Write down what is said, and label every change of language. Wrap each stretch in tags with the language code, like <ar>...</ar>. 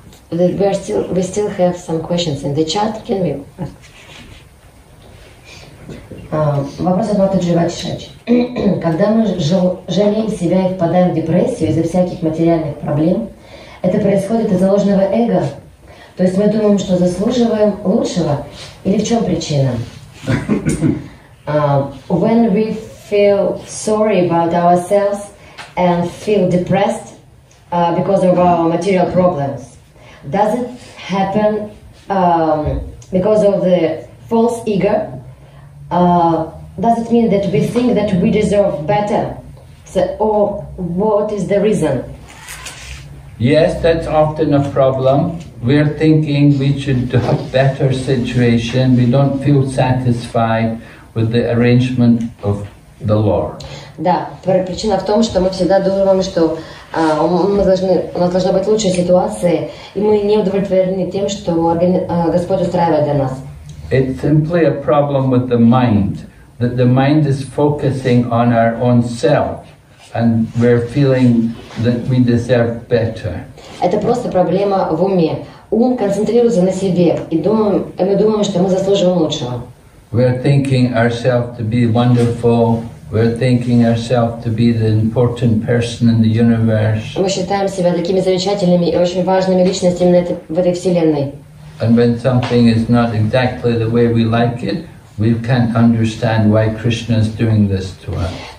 <en>We still have some questions in the chat. Can we ask?</en> <ru>Вопрос от Матаджи Вачшач. Когда мы жалеем себя и впадаем в депрессию из-за всяких материальных проблем, это происходит из-за ложного эго? То есть мы думаем, что заслуживаем лучшего? Или в чем причина?</ru> <en>When we feel sorry about ourselves and feel depressed because of our material problems, does it happen because of the false ego? Does it mean that we think that we deserve better? So, or what is the reason? Yes, that's often a problem. We're thinking we should have a better situation. We don't feel satisfied with the arrangement of the Lord.</en> <ru>Да, причина в том, что мы всегда думаем, что у нас должна быть лучшая ситуация, и мы не удовлетворены тем, что Господь устраивает для нас.</ru> <en>It's simply a problem with the mind, that the mind is focusing on our own self, and we're feeling that we deserve better.</en> <ru>Это просто проблема в уме. Ум концентрируется на себе, и мы думаем, что мы заслуживаем лучшего.</ru> <en>We're thinking ourselves to be wonderful. We're thinking ourselves to be the important person in the universe.</en> <ru>Мы считаем себя такими замечательными и очень важными личностями в этой вселенной.</ru> <en>And when something is not exactly the way we like it, we can't understand why Krishna is doing this to us.</en>